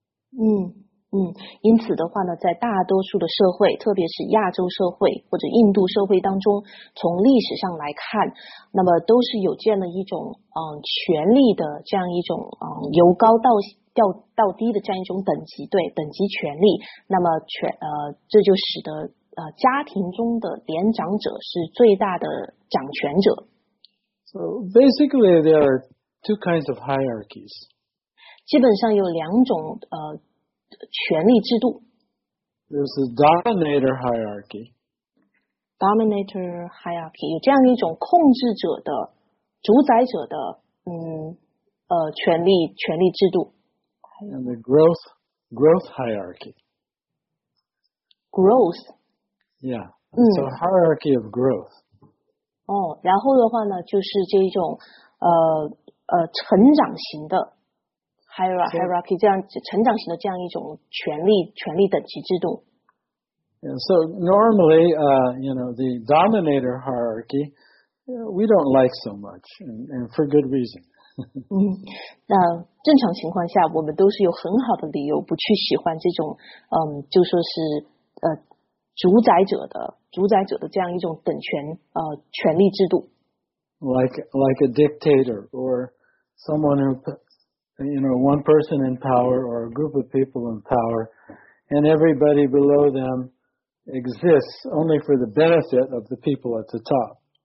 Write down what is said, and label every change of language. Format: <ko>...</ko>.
<zh>因此的话呢，在大多数的社会，特别是亚洲社会或者印度社会当中，从历史上来看，那么都是有这样的一种权力的这样一种由高到低。到低的这样一种等级，对等级权力，那么这就使得家庭中的年长者是最大的掌权者。</zh> <en>So basically, there are two kinds of hierarchies.</en> <zh>基本上有两种权力制度。</zh> <en>There's the dominator hierarchy. Dominator hierarchy</en> <zh>有这样一种控制者的主宰者的权力制度。</zh> <en>And the growth hierarchy. Growth. Yeah. So hierarchy of growth.</en> <zh>然后的话呢，就是这一种成长型的 hierarchy 这样成长型的这样一种权力等级制度。</zh> <en>Yeah, so normally, you know, the dominator hierarchy, we don't like so much, and for good reason.</en> <zh>那正常情况下我们都是有很好的理由不去喜欢这种就说是主宰者的这样一种等权权力制度。</zh> <en>Like a dictator or someone who, you know, one person in power or a group of people in power and everybody below them exists only for the benefit of the people at the top.</en>